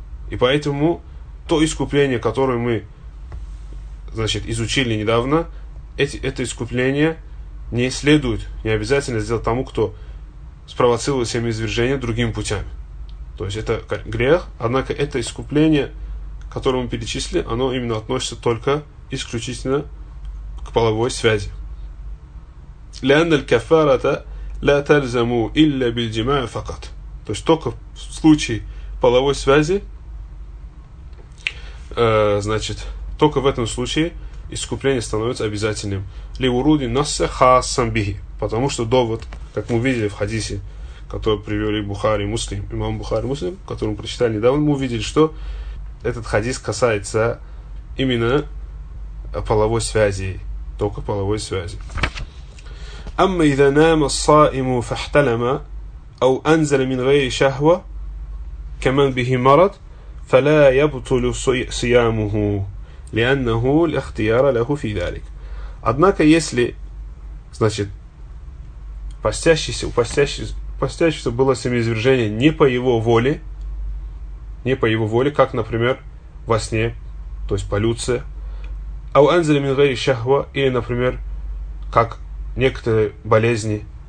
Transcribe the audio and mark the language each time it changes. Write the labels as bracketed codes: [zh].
[ru] И поэтому то искупление, которое мы, значит, изучили недавно, это искупление не следует, не обязательно сделать тому, кто спровоцировал семяизвержение другим путями. То есть это грех, однако это искупление, которое мы перечислили, оно именно относится только исключительно к половой связи. [ar] لأن الكفارة لا تلزم إلا بالجماع فقط. [ru] То есть только в случае половой связи, значит, только в этом случае искупление становится обязательным. [ar] لوروده نص خاص به. [ru] Потому что довод, как мы видели в хадисе, который привели Бухари и Муслим, имам Бухари и Муслим, который мы прочитали недавно, мы увидели, что этот хадис касается именно половой связи, только половой связи. [ar] أما إذا نام الصائم فاحتلم أو أنزل من غير شهوة كمن به مرض فلا يبطل صيامه لأنه الاختيار له في ذلك. [ru] Однако если, значит, постящийся было семяизвержение не по его воле, как, например, во сне, то есть полюция, [ar] أو أنزل من غير شهوة, [ru] или, например, как некоторые болезни,